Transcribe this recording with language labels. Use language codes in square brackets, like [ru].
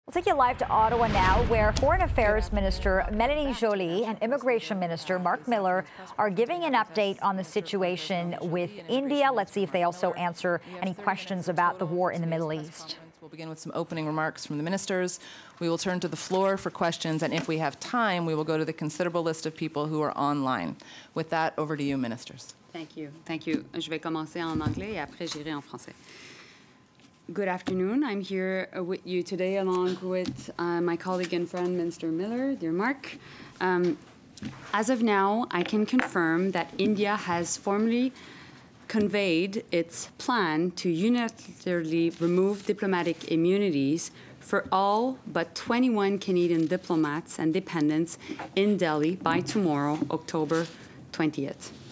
[en] We'll take you live to Ottawa now, where Foreign Affairs Minister Melanie Joly and Immigration Minister Mark Miller are giving an update on the situation with India. Let's see if they also answer any questions about the war in the Middle East. We'll begin with some opening remarks from the ministers. We will turn to the floor for questions, and if we have time, we will go to the considerable list of people who are online. With that, over to you, ministers. Thank you. Thank you. [fr] Je vais commencer en anglais et après j'irai en français. [en] Good afternoon. I'm here with you today along with my colleague and friend, Minister Miller, dear Mark. As of now, I can confirm that India has formally conveyed its plan to unilaterally remove diplomatic immunities for all but 21 Canadian diplomats and dependents in Delhi by tomorrow, October 20th.